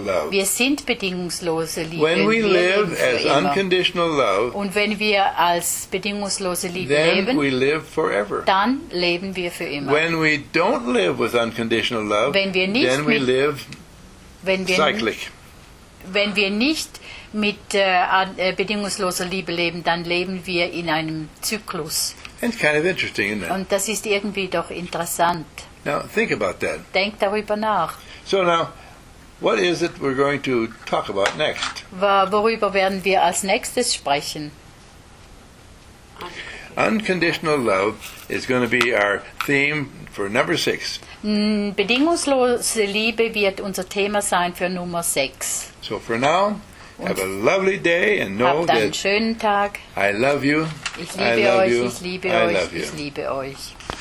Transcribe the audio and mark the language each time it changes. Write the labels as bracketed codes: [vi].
[de] Wir sind bedingungslose Liebe. [en] When we live as unconditional love, [de] und wenn wir als bedingungslose Liebe [en] then [de] leben, [en] we live forever. [de] Dann leben wir für immer. [en] When we don't live with unconditional love, [de] wenn wir nicht [en] then we live cyclic. [de] Wenn wir nicht mit bedingungsloser Liebe leben, dann leben wir in einem Zyklus. [en] It's kind of interesting, isn't it? [de] Und das ist irgendwie doch interessant. [en] Now, think about that. [de] Denk darüber nach. [en] So now, what is it we're going to talk about next? [de] Worüber werden wir als nächstes sprechen? [en] Unconditional love is going to be our theme for number 6. [de] Bedingungslose Liebe wird unser Thema sein für Nummer 6. [en] So for now, have a lovely day and know [de] that einen schönen Tag. [en] I love you. [de] Ich liebe euch. Ich liebe euch. Ich liebe euch.